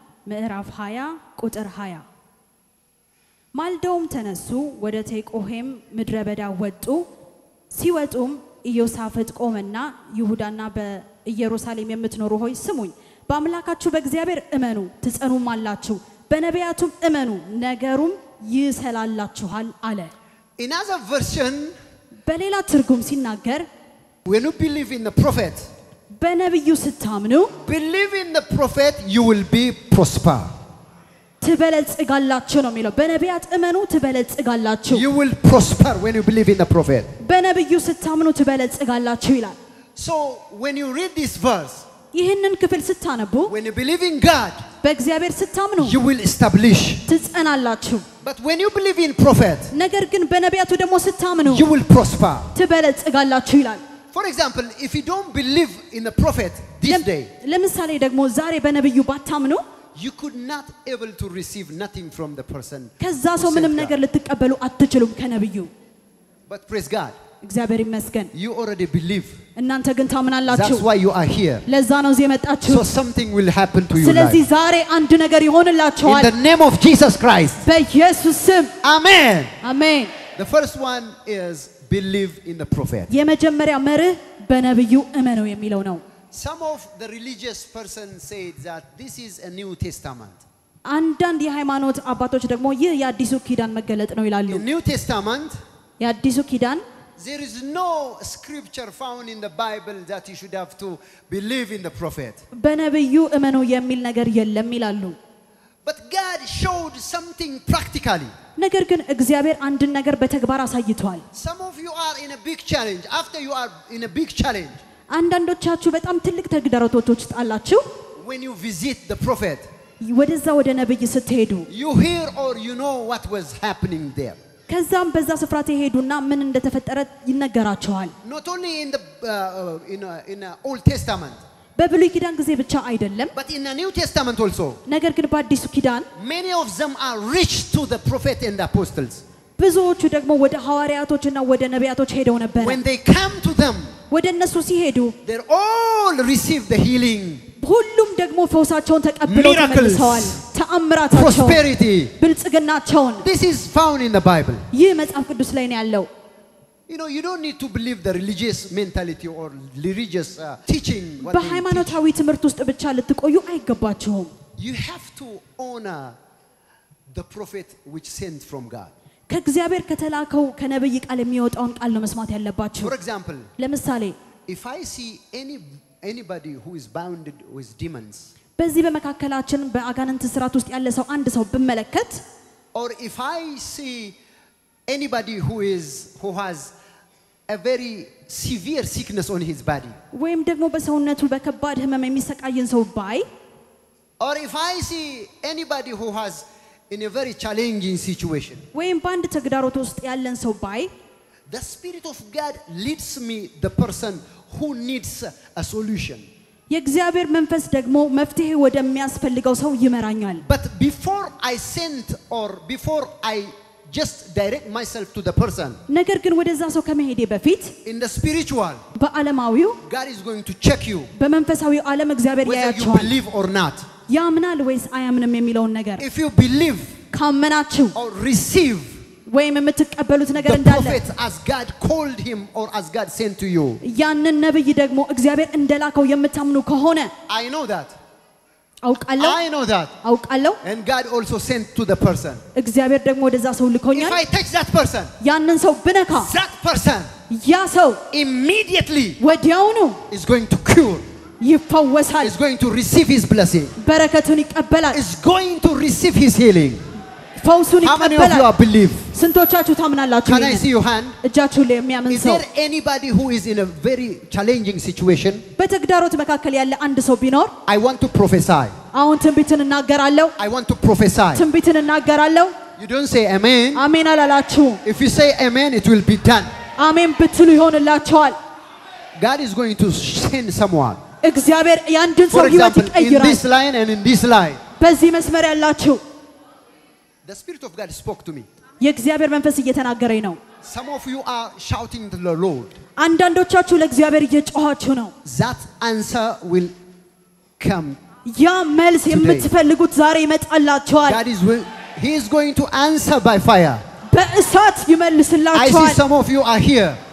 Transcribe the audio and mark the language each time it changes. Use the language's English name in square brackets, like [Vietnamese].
[Amharic] ምዕራፍ 20 ቁጥር 20 ማልደውም ተነሱ ወደ ቴቆሄም ምድረ በዳ ወጡ ሲወጡም ኢዮሳፍጥ ቆመና ይሁዳና በኢየሩሳሌም የምትኖሩ ሆይ ስሙኝ በአምላካችሁ በእግዚአብሔር እመኑ ትጸኑም አላችሁ በነቢያቱም እመኑ ነገሩም ይሰላላችኋል አለ [English] In another version [Amharic] በሌላ ትርጉም ሲናገር [English] When you believe in the prophet [Amharic] በነብዩ ስታምኑ [English] believe in the prophet you will be prosper [Amharic] ትበለጽጋላችሁ ነው የሚለው በነቢያት እመኑ ትበለጽጋላችሁ [English] you will prosper when you believe in the prophet [Amharic] በነብዩ ስታምኑ ትበለጽጋላችሁ ይላል [English] so when you read this verse [Amharic] ይሄንን ክፍል ስታነቡ [English] when you believe in god [Amharic] በእግዚአብሔር ስታምኑ [English] you will establish [Amharic] ትጸናላችሁ [English] but when you believe in prophet [Amharic] ነገር ግን በነቢያቱ ደግሞ ስታምኑ [English] you will prosper [Amharic] ትበለጽጋላችሁ ይላል [English] For example, if you don't believe in the prophet this day, [Amharic] ለምሳሌ ደግሞ ዛሬ በነብዩ ባታምኑ, [English] you could not able to receive nothing from the person. [Amharic] ከዛ ሰው ምንም ነገር ልትቀበሉ አትችሉም ከነብዩ. [English] But praise God. [Amharic] እግዚአብሔር ይመስገን. [English] You already believe. [Amharic] እናንተ ግን ታምናላችሁ. [English] That's why you are here. [Amharic] ለዛ ነው ዘመጣችሁ. [English] So something will happen to you. [Amharic] ስለዚህ ዛሬ አንድ ነገር ይሆንላችኋል. [English] In the name of Jesus Christ. [Amharic] በኢየሱስ ስም. [English] Amen. [Amharic] Amen. [English] The first one is believe in the prophet. [Amharic] የመጀመሪያ መርህ በነብዩ እመኑ የሚለው ነው። [English] Some of the religious person said that this is a new testament. [Amharic] አንዳንድ የሃይማኖት አባቶች ደግሞ ይህ የአዲሱ ኪዳን መገለጥ ነው ይላሉ። [English] The new testament? [Amharic] የአዲሱ ኪዳን? [English] There is no scripture found in the Bible that you should have to believe in the prophet. [Amharic] በነብዩ እመኑ የሚል ነገር የለም ይላሉ። [English] But God showed something practically. [Amharic] ነገር ግን እግዚአብሔር አንድ ነገር በተግባር አሳይቷል። [English] Some of you are in a big challenge. After you are in a big challenge. [Amharic] አንዳንዶቻችሁ በጣም ትልቅ ተግዳሮቶች ጣላችሁ። [English] When you visit the prophet. [Amharic] ወደዛ ወደ ነብይ ስትሄዱ. [English] You hear or you know what was happening there. [Amharic] ከዛም በዛ ስፍራ ተሄዱና ምን እንደተፈጠረ ይነገራችኋል። [English] Not only in the in a Old Testament. [Amharic] በብሉይ ኪዳን ጊዜ ብቻ አይደለም [English] but in the new testament also [Amharic] ነገር ግን በአዲሱ ኪዳን [English] many of them are reached to the prophet and the apostles [Amharic] ብዙዎቹ ደግሞ ወደ ሐዋርያቶችና ወደ ነቢያቶች ሄደው ነበር [English] when they come to them [Amharic] ወደ እነሱ ሲሄዱ [English] they all receive the healing [Amharic] ሁሉም ደግሞ ፈውሳቸውን ተቀብለው ተመልሰዋል ተአምራታቸው [English] prosperity [Amharic] ብልጽግናቸው [English] this is found in the bible [Amharic] ይህ መጽሐፍ ቅዱስ ላይ ነው ያለው [English] you know you don't need to believe the religious mentality or religious teaching what [Amharic] በሃይማኖታዊ ትምህርት ውስጥ ብቻ ልትቆዩ አይገባችሁም [English] you have to honor the prophet which sent from god [Amharic] ከእግዚአብሔር ከተላከው ከነብይ ቃል የሚወጣውን ቃል ነው መስማት ያለባችሁ [English] for example [Amharic] ለምሳሌ [English] if I see anybody who is bounded with demons [Amharic] በዚህ በመካከላችን በአጋንንት ስርዓት ውስጥ ያለ ሰው አንድ ሰው በመለከት [English] or if I see anybody who has a very severe sickness on his body [Amharic] ወይም ደግሞ በሰውነቱ በከባድ ህመም የሚሰቃይን ሰው ባይ [English] or if I see anybody who has in a very challenging situation [Amharic] ወይም ባንድ ተግዳሮት ውስጥ ያለን ሰው ባይ [English] the spirit of god leads me the person who needs a solution [Amharic] የእግዚአብሔር መንፈስ ደግሞ መፍትሄ ወደሚያስፈልገው ሰው ይመራኛል [English] but before I sent or before I just direct myself to the person [Amharic] ነገር ግን ወደዛ ሰው ከመሄዴ በፊት [English] in the spiritual [Amharic] በአለማዊው [English] god is going to check you [Amharic] በመንፈሳዊው ዓለም እግዚአብሔር ያያችኋል [English] whether you believe or not [Amharic] ያምናል ወይስ አያምንም የሚለውን ነገር [English] if you believe [Amharic] ካመናችሁ [English] or receive [Amharic] ወይም የምትቀበሉት ነገር እንዳለ [English] the prophet as god called him or as god sent to you [Amharic] ያንን ነብይ ደግሞ እግዚአብሔር እንደላከው የምታምኑ ከሆነ [English] i know that [Amharic] አውቃለሁ [English] i know that [Amharic] አውቃለሁ [English] and god also sent to the person [Amharic] እግዚአብሔር ደግሞ ወደዛ ሰው ልኮኛል [English] if i touch that person [Amharic] ያንን ሰው ብነካ [English] that person [Amharic] ያ ሰው [English] immediately [Amharic] ወዲያውኑ [English] is going to cure [Amharic] ይፈወሳል [English] is going to receive his blessing [Amharic] በረከቱን ይቀበላል [English] is going to receive his healing [Amharic] ፈውሱን ይቀበላል [English] how many of you believe [Amharic] ስንቶቻችሁ ታምናላችሁ [English] can i see your hand [Amharic] እጃችሁ ላይ የሚያምን ሰው [English] is there anybody who is in a very challenging situation [Amharic] በተግዳሮት መካከል ያለ አንድ ሰው ቢኖር [English] i want to prophesy [Amharic] አሁን ትንቢትን እናገራለሁ [English] i want to prophesy [Amharic] ትንቢትን እናገራለሁ [English] you don't say amen [Amharic] አሜን አላላችሁ [English] if you say amen it will be done [Amharic] አሜን ብትሉ ይሆንላችኋል [English] god is going to send someone [Amharic] እግዚአብሔር ያንድን ሰው ህይወት ይቀይራል [English] in this line and in this line [Amharic] በዚህ መስመር ያላችሁ [English] the spirit of god spoke to me [Amharic] የእግዚአብሔር መንፈስ እየተናገረኝ ነው [English] some of you are shouting to the lord [Amharic] አንዳንዶቻችሁ ለእግዚአብሔር እየጮሃችሁ ነው [English] that answer will come [Amharic] ያ መልስ የምትፈልጉት ዛሬ ይመጣላችኋል [English] god is he is going to answer by fire [Amharic] በእሳት ይመልስላችኋል [English] i see some of you are here